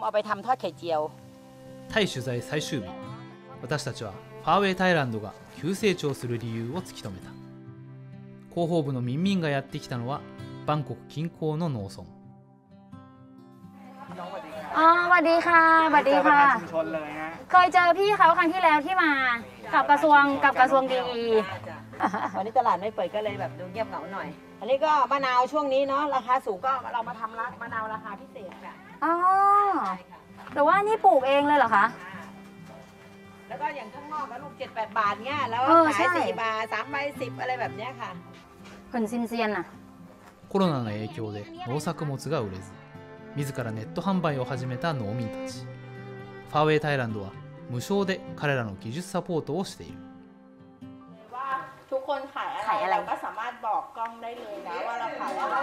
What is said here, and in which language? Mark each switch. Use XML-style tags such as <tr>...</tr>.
<ja>タイ取材最終日、私たちはファーウェイタイランドが急成長する理由を突き止めた。広報部のミンミンがやってきたのはバンコク近郊の農村。</ja> <th>あ、สวัสดีค่ะ、สวัสดีค่ะ。 เคยเจอพี่เขาครั้งที่แล้วที่มากับกระทรวงดี วันนี้ตลาดไม่เปิดก็เลยแบบดูเงียบเหงาหน่อยอันนี้ก็มะนาวช่วงนี้เนาะราคาสูงก็เรามาทำละมะนาวราคาพิเศษแบบ อ๋อแต่ว่านี่ปลูกเองเลยเหรอคะ แล้วก็อย่างข้างนอกลูก7-8 บาทเนี่ยแล้วขาย4 บาท3 ใบ 10อะไรแบบเนี้ยค่ะ คุณซินเซียนอะ โควิด</th> <ja>の影響で農作物が売れず自らネット販売を始めた農民たちファーウェイタイランドは無償で彼らの技術サポートをしている</ja> <th>ว่าทุกคนขายอะไรก็สามารถบอกกล้องได้เลยนะว่าเราขายอะ</th>